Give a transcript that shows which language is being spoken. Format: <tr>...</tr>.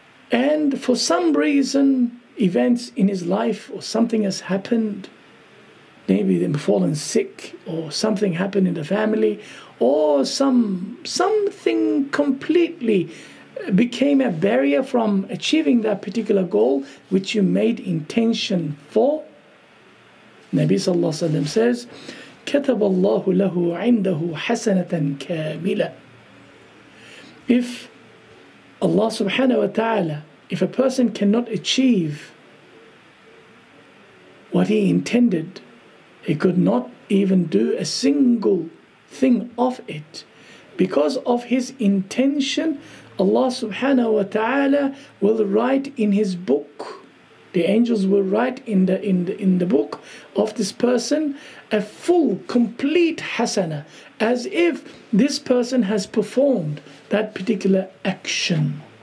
<en>And for some reason, events in his life or something has happened, maybe they've fallen sick or something happened in the family, or something completely became a barrier from achieving that particular goal which you made intention for. Nabi sallallahu alaihi wasallam says,</en> <ar>كَتَبَ اللَّهُ لَهُ عِنْدَهُ حَسَنَةً كَامِلًا.</ar> <en>If Allah subhanahu wa ta'ala, if a person cannot achieve what he intended, he could not even do a single thing of it, because of his intention, Allah subhanahu wa ta'ala will write in his book, the angels will write in the book of this person a full, complete hasana, as if this person has performed that particular action.</en>